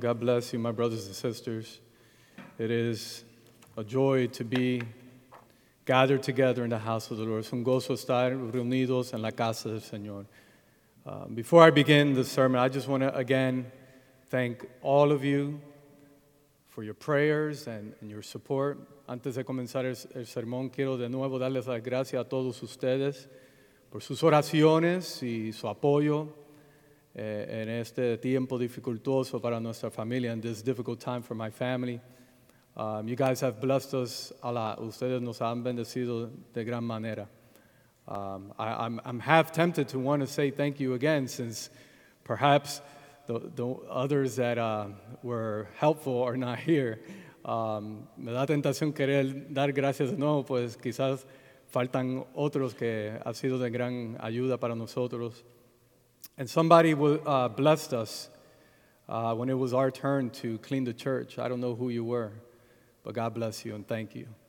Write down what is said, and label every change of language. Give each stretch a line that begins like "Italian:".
English: God bless you, my brothers and sisters. It is a joy to be gathered together in the house of the Lord.
Spanish: Es un gozo estar reunidos en la casa del Señor.
English: Before I begin the sermon, I just want to again thank all of you for your prayers and your support.
Spanish: Antes de comenzar el sermón, quiero de nuevo darles las gracias a todos ustedes por sus oraciones y su apoyo en este tiempo dificultoso para nuestra familia,
English: in this difficult time for my family. You guys have blessed us a lot.
Spanish: Ustedes nos han bendecido de gran manera.
English: I'm half tempted to want to say thank you again, since perhaps the others that were helpful are not here.
Spanish: Me da tentación querer dar gracias de nuevo, pues quizás faltan otros que han sido de gran ayuda para nosotros.
English: And somebody blessed us when it was our turn to clean the church. I don't know who you were, but God bless you and thank you.